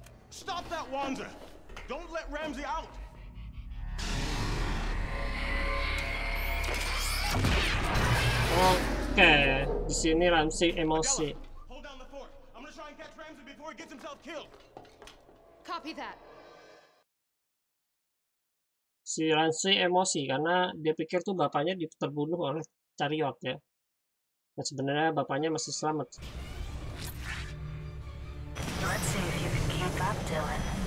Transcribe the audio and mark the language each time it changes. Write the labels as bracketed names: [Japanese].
[English] Stop that, Wanzer! Don't let Ramsey out! [Indonesian] Okay, di sini Ramsey emosi. [English] Hold down the fort. I'm gonna try and catch Ramsey before he gets himself killed. Copy that. [Indonesian] Si Ramsey emosi karena dia pikir tuh bapaknya terbunuh oleh Chariot ya. Dan sebenarnya bapaknya masih selamat. [English] Let's see if you can keep up, Dylan.